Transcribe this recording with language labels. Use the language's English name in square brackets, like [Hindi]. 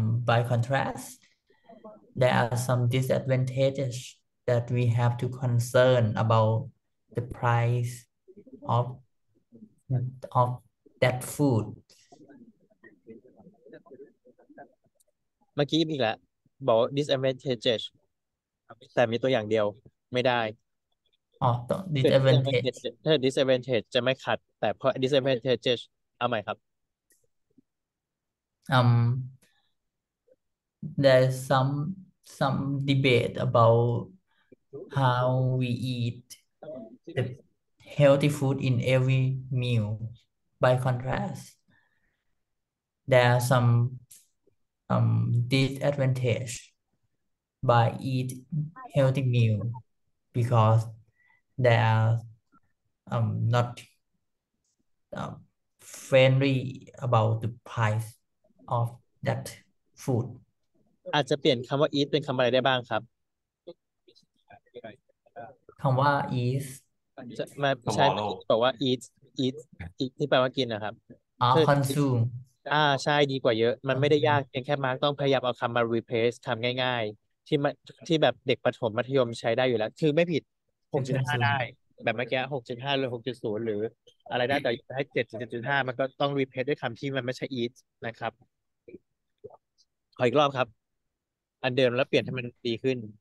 [English] By contrast, there are some disadvantages that we have to concern about the price of that food. [Thai] เมื่อกี้อีกแล้วบอก disadvantages แต่มีตัวอย่างเดียวไม่ได้ อ๋อต้อง คือ disadvantage ถ้า disadvantage จะไม่ขัดแต่เพราะ disadvantages เอาใหม่ครับ [English] There's some debate about how we eat the healthy food in every meal. By contrast, there are some disadvantage by eat healthy meal because there are not friendly about the price of that food. [Thai] อาจจะเปลี่ยนคำว่า eat เป็นคำอะไรได้บ้างครับ คำว่า is จะมาใช้ [English] Tomorrow. [Thai] บอกว่า eat ที่แปลว่ากินนะครับคือ [English] consume [Thai] ใช่ดีกว่าเยอะมันไม่ได้ยากเพียงแค่มาร์กต้องพยายามเอาคำมา replace คำง่ายๆที่มาที่แบบเด็กประถมมัธยมใช้ได้อยู่แล้วคือไม่ผิดหกจุดห้าได้แบบเมื่อกี้6.5หรือ6.0หรืออะไรได้แต่ให้7-7.5มันก็ต้อง replace ด้วยคำที่มันไม่ใช่ eat นะครับขออีกรอบครับอันเดิมแล้วเปลี่ยนให้มันดีขึ้น